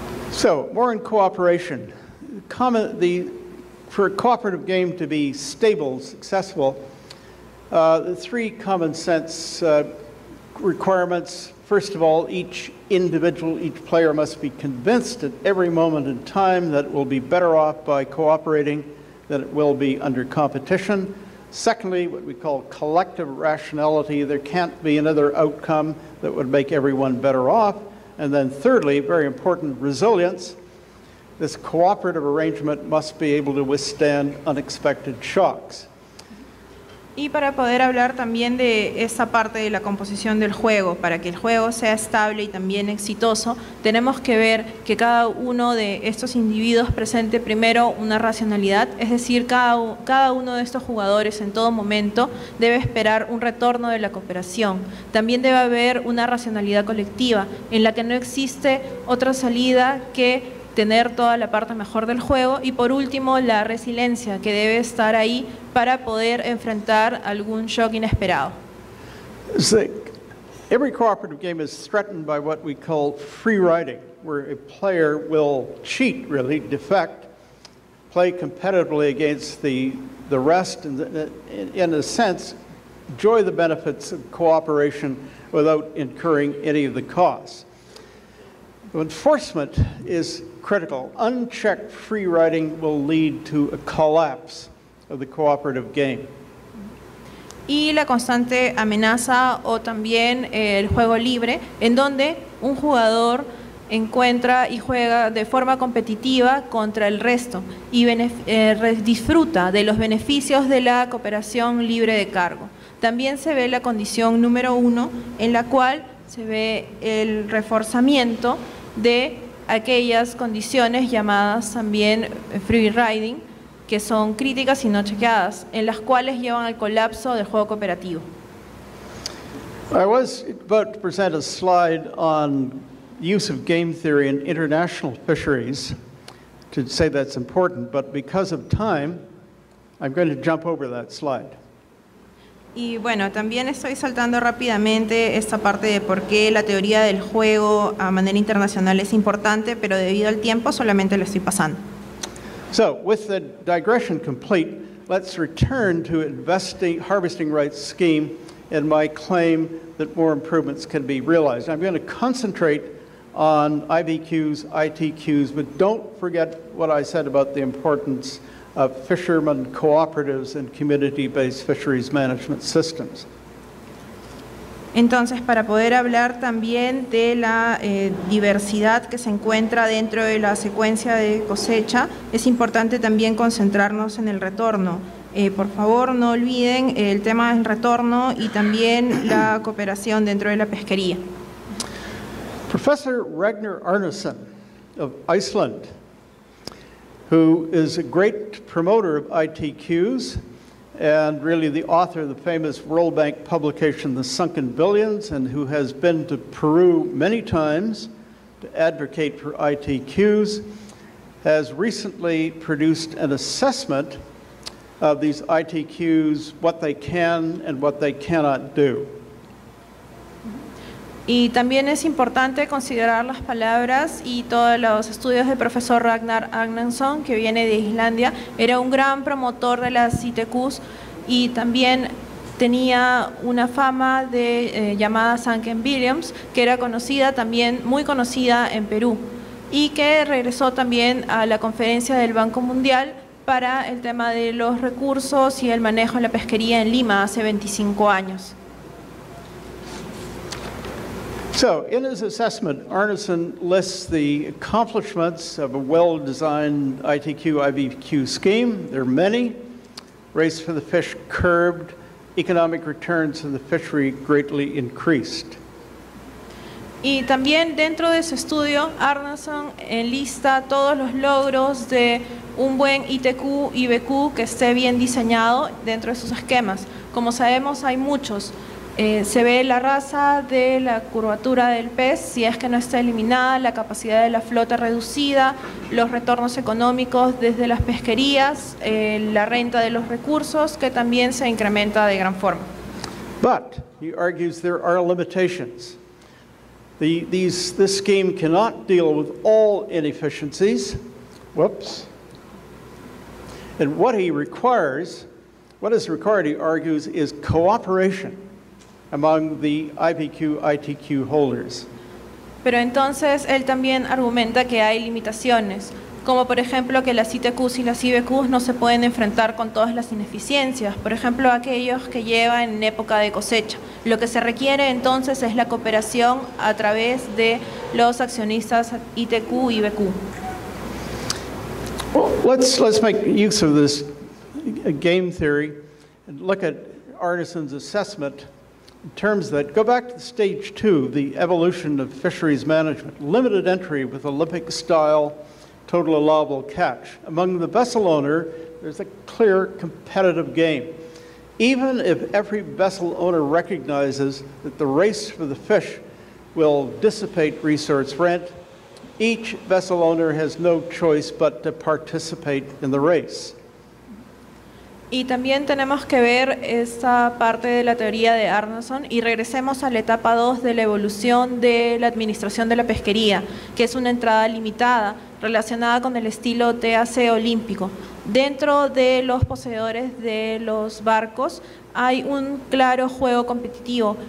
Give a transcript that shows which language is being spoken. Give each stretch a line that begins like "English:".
English: So, more in cooperation. For a cooperative game to be stable, successful, the three common sense requirements. First of all, each player must be convinced at every moment in time that it will be better off by cooperating than it will be under competition. Secondly, what we call collective rationality, there can't be another outcome that would make everyone better off. And then thirdly, very important, resilience. This cooperative arrangement must be able to withstand unexpected shocks.
Spanish: Y para poder hablar también de esa parte de la composición del juego, para que el juego sea estable y también exitoso, tenemos que ver que cada uno de estos individuos presente primero una racionalidad, es decir, cada uno de estos jugadores en todo momento debe esperar un retorno de la cooperación. También debe haber una racionalidad colectiva en la que no existe otra salida que tener toda la parte mejor del juego, y por último la resiliencia, que debe estar ahí para poder enfrentar algún shock inesperado.
English: Every cooperative game is threatened by what we call free riding, where a player will cheat, really defect, play competitively against the rest, and in a sense enjoy the benefits of cooperation without incurring any of the costs. Enforcement is critical. Unchecked free riding will lead to a collapse of the cooperative game.
Spanish: Y la constante amenaza, o también el juego libre, en donde un jugador encuentra y juega de forma competitiva contra el resto y disfruta de los beneficios de la cooperación libre de cargo. También se ve la condición número uno, en la cual se ve el reforzamiento de aquellas condiciones llamadas también free riding, que son críticas y no chequeadas, en las cuales llevan al colapso del juego cooperativo.
English: I was about to present a slide on use of game theory in international fisheries to say that's important, but because of time, I'm going to jump over that slide.
Spanish: Y bueno, también estoy saltando rápidamente esta parte de por qué la teoría del juego a manera internacional es importante, pero debido al tiempo solamente lo estoy pasando.
English: So, with the digression complete, let's return to investing harvesting rights scheme and my claim that more improvements can be realized. I'm going to concentrate on IBQs, ITQs, but don't forget what I said about the importance of fishermen cooperatives and community-based fisheries management systems.
Spanish: Entonces, para poder hablar también de la diversidad que se encuentra dentro de la secuencia de cosecha, es importante también concentrarnos en el retorno. Por favor, no olviden el tema del retorno y también la cooperación dentro de la pesquería.
English: Professor Ragnar Arnason of Iceland, who is a great promoter of ITQs, and really the author of the famous World Bank publication, The Sunken Billions, and who has been to Peru many times to advocate for ITQs, has recently produced an assessment of these ITQs, what they can and what they cannot do.
Spanish: Y también es importante considerar las palabras y todos los estudios del profesor Ragnar Arnason, que viene de Islandia. Era un gran promotor de las ITQs y también tenía una fama de llamada Sunken Billions, que era conocida también, muy conocida en Perú, y que regresó también a la conferencia del Banco Mundial para el tema de los recursos y el manejo de la pesquería en Lima hace 25 años.
English: So, in his assessment, Arnason lists the accomplishments of a well-designed ITQ-IVQ scheme. There are many. Rates for the fish curbed, economic returns of the fishery greatly increased.
Spanish: Y también dentro de su estudio, Arnason enlista todos los logros de un buen ITQ-IVQ que esté bien diseñado dentro de sus esquemas. Como sabemos, hay muchos. Se ve la raza de la curvatura del pez, si es que no está eliminada, la capacidad de la flota reducida, los retornos económicos desde las pesquerías, la renta de los recursos, que también se incrementa de gran forma.
English: But, he argues, there are limitations. This scheme cannot deal with all inefficiencies. Whoops. And what he requires, what is required, he argues, is cooperation among the IPQ ITQ holders.
Spanish: Pero entonces él también argumenta que hay limitaciones, como por ejemplo que las ITQs y las IBQs no se pueden enfrentar con todas las ineficiencias, por ejemplo aquellos que llevan en época de cosecha. Lo que se requiere entonces es la cooperación a través de los accionistas ITQ y IBQ.
English: Well, let's make use of this game theory and look at Arnason's assessment. Terms that go back to stage two, the evolution of fisheries management, limited entry with Olympic style total allowable catch. Among the vessel owner, there's a clear competitive game. Even if every vessel owner recognizes that the race for the fish will dissipate resource rent, each vessel owner has no choice but to participate in the race.
Spanish: Y también tenemos que ver esta parte de la teoría de Arnason y regresemos a la etapa 2 de la evolución de la administración de la pesquería, que es una entrada limitada relacionada con el estilo TAC olímpico. Dentro de los poseedores de los barcos hay un claro juego competitivo.